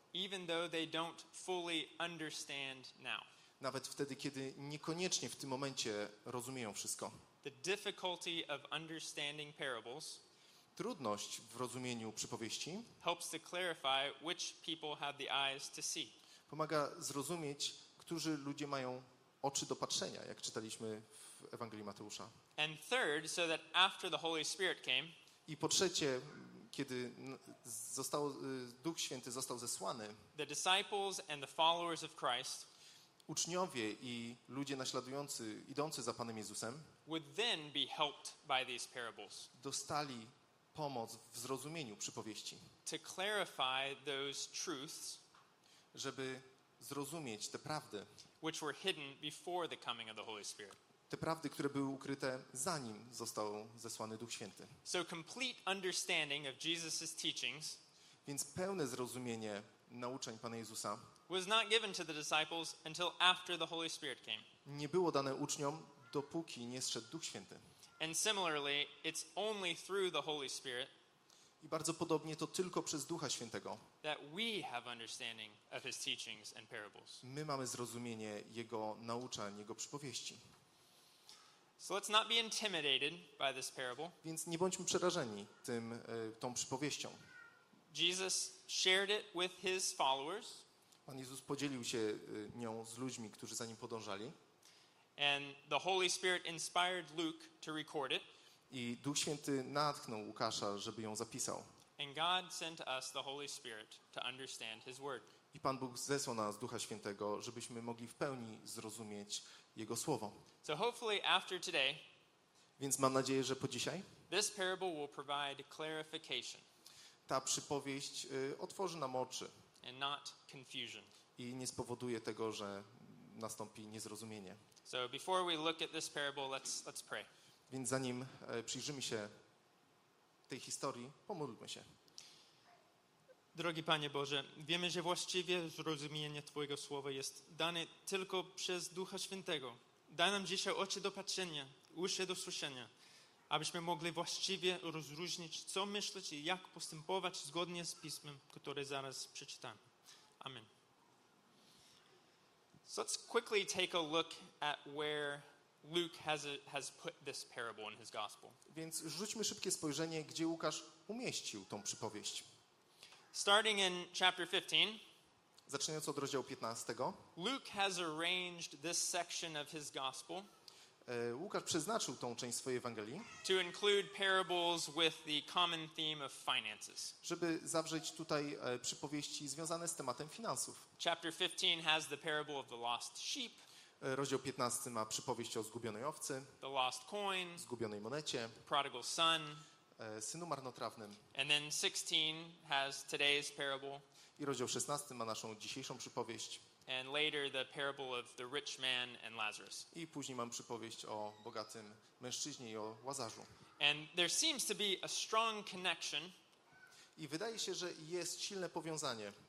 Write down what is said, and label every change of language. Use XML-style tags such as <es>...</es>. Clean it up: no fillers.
<en>Even though they don't fully understand now.</en> <pl>Nawet wtedy, kiedy niekoniecznie w tym momencie rozumieją wszystko.</pl> <en>The difficulty of understanding parables,</en> <pl>trudność w rozumieniu przypowieści,</pl> <en>helps to clarify which people have the eyes to see.</en> <pl>Pomaga zrozumieć, którzy ludzie mają oczy do patrzenia, jak czytaliśmy w Ewangelii Mateusza.</pl> <en>And third, so that after the Holy Spirit came,</en> <pl>I po trzecie, kiedy został Duch Święty został zesłany,</pl> <en>the disciples and the followers of Christ,</en> <pl>uczniowie i ludzie naśladujący, idący za Panem Jezusem,</pl> <en>would then be helped by these parables.</en> <pl>Dostali pomoc w zrozumieniu przypowieści.</pl> <en>To clarify those truths,</en> <pl>żeby zrozumieć te prawdy,</pl> <en>which were hidden before the coming of the Holy Spirit.</en> <pl>Te prawdy, które były ukryte zanim został zesłany Duch Święty.</pl> <en>So complete understanding of Jesus's teachings,</en> <pl>więc pełne zrozumienie nauczeń Pana Jezusa,</pl> <en>was not given to the disciples until after the Holy Spirit came.</en> <pl>Nie było dane uczniom, dopóki nie zszedł Duch Święty.</pl> <en>And similarly, it's only through the Holy Spirit,</en> <pl>i bardzo podobnie to tylko przez Ducha Świętego,</pl> <en>that we have understanding of his teachings and parables.</en> <pl>My mamy zrozumienie jego nauczań, jego przypowieści.</pl> <en>So let's not be intimidated by this parable.</en> <pl>Więc nie bądźmy przerażeni tym, tą przypowieścią.</pl> <en>Jesus shared it with his followers.</en> <pl>Pan Jezus podzielił się nią z ludźmi, którzy za nim podążali.</pl> <en>And the Holy Spirit inspired Luke to record it.</en> <pl>I Duch Święty natchnął Łukasza, żeby ją zapisał.</pl> <en>And God sent us the Holy Spirit to understand his word.</en> <pl>I Pan Bóg zesłał nas Ducha Świętego, żebyśmy mogli w pełni zrozumieć jego słowo.</pl> <en>So hopefully after today,</en> <pl>więc mam nadzieję, że po dzisiaj,</pl> <en>this parable will provide clarification.</en> <pl>Ta przypowieść otworzy nam oczy.</pl> <en>And not confusion.</en> <pl>I nie spowoduje tego, że nastąpi niezrozumienie.</pl> <en>So before we look at this parable, let's pray.</en> <pl>Więc zanim przyjrzymy się tej historii, pomódlmy się. Drogi Panie Boże, wiemy, że właściwie zrozumienie Twojego słowa jest dane tylko przez Ducha Świętego. Daj nam dzisiaj oczy do patrzenia, uszy do słyszenia, abyśmy mogli właściwie rozróżnić, co myśleć i jak postępować zgodnie z Pismem, które zaraz przeczytam. Amen.</pl> <en>So let's quickly take a look at where Luke has put this parable in his gospel.</en> <pl>Więc rzućmy szybkie spojrzenie, gdzie Łukasz umieścił tą przypowieść.</pl> <en>Starting in chapter 15.</en> <pl>Zaczynając od rozdziału 15.</pl> <en>Luke has arranged this section of his gospel.</en> <pl>Łukasz przeznaczył tą część swojej Ewangelii.</pl> <en>To include parables with the common theme of finances.</en> <pl>Żeby zawrzeć tutaj przypowieści związane z tematem finansów.</pl> <en>Chapter 15 has the parable of the lost sheep.</en> <pl>Rozdział 15 ma przypowieść o zgubionej owcy.</pl> <en>The lost coin.</en> <pl>Zgubionej monecie.</pl> <en>The prodigal son.</en> <pl>Synu marnotrawnym.</pl> <en>And then 16 has today's parable.</en> <pl>I rozdział 16 ma naszą dzisiejszą przypowieść.</pl> <en>And later the parable of the rich man and Lazarus.</en> <pl>I później mam przypowieść o bogatym mężczyźnie i o Łazarzu.</pl> <en>And there seems to be a strong connection.</en> <pl>I wydaje się, że jest silne powiązanie</pl>